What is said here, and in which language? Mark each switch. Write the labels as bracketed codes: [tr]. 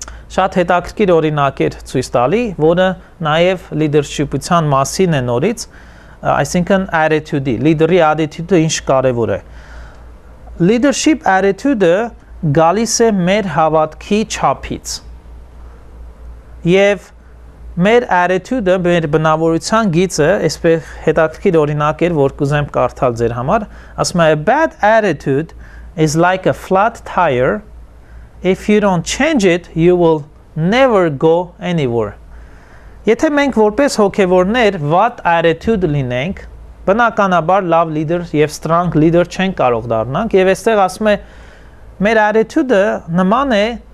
[hy] շատ հետաքրքիր օրինակ էր ցույց տալի, որը նաև leadership-ության մասին է նորից, այսինքն attitude-ի, leader-ի attitude-ը ինչ կարևոր է։ Leadership attitude-ը գալիս է մեր հավատքի չափից։ Եվ մեր attitude-ը, մեր բնավորության գիծը, այսպես հետաքրքիր օրինակ էր, որ կուզեմ կարդալ ձեր համար, ասում է, [en] a bad attitude is like a flat tire. If you don't change it, you will never go anywhere. [hy] Եթե մենք որպես հոգևորներ bad attitude լինենք, բնականաբար լավ leader եւ strong leader չեն կարող դառնանք, եւ այստեղ ասում է, մեր attitude-ը նման է